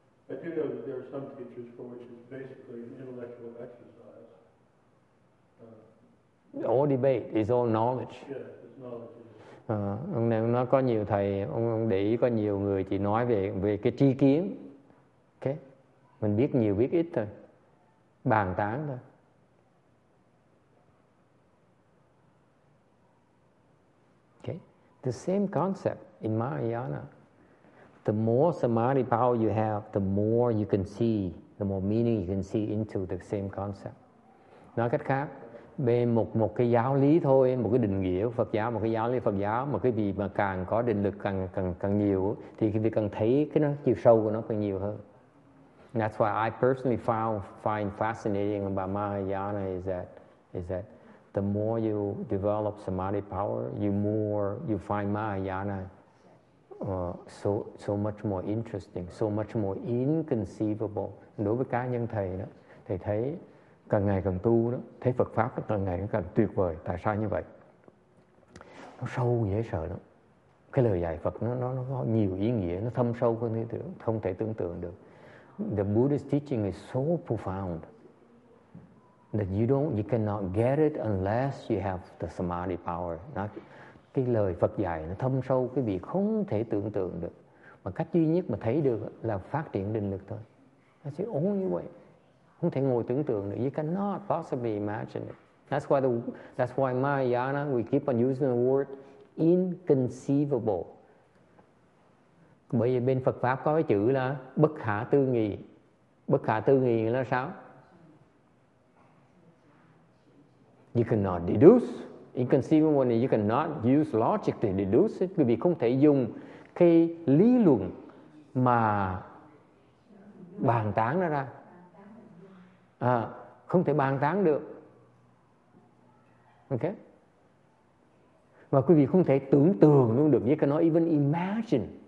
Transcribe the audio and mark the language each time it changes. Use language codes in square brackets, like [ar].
[en] I do know that there are some teachers for which it's basically an intellectual exercise. All debate is all knowledge. Yeah, it's knowledge. [vi] Nó có nhiều thầy, ông để ý có nhiều người chỉ nói về cái tri kiến. Okay. Mình biết nhiều biết ít thôi. Bàn tán thôi. [en] Okay. The same concept in Mahayana. The more samadhi power you have, the more you can see, the more meaning you can see into the same concept. [vi] Nói cách khác, về một cái giáo lý thôi, một cái định nghĩa của Phật giáo, một cái giáo lý Phật giáo, mà cái vị mà càng có định lực càng nhiều thì cái vị càng thấy cái nó chiều sâu của nó càng nhiều hơn. [en] And that's why I personally find fascinating about Mahayana is that the more you develop samadhi power, you find Mahayana so much more interesting, so much more inconceivable. [vi] Đối với cá nhân thầy đó, thầy thấy càng ngày càng tu đó, thấy Phật pháp đó, càng ngày càng tuyệt vời. Tại sao như vậy? Nó sâu dễ sợ lắm. Cái lời dạy Phật nó có nhiều ý nghĩa, nó thâm sâu hơn thế tưởng, không thể tưởng tượng được. [en] The Buddhist teaching is so profound that you cannot get it unless you have the samadhi power. [vi] Nó, cái lời Phật dạy nó thâm sâu, cái vị không thể tưởng tượng được. Mà cách duy nhất mà thấy được là phát triển định lực thôi. [en] That's the only way. [vi] Không thể ngồi tưởng tượng được. [en] You cannot possibly imagine it. That's why Mahayana, we keep on using the word inconceivable. [vi] Bởi vì bên Phật pháp có cái chữ là bất khả tư nghị. Bất khả tư nghị là sao? [en] You cannot deduce. Inconceivable means you cannot use logic to deduce it. [vi] Vì không thể dùng cái lý luận mà bàn tán nó ra. À, không thể bàn tán được. Ok. Và quý vị không thể tưởng tượng luôn được. [en] You cannot even imagine.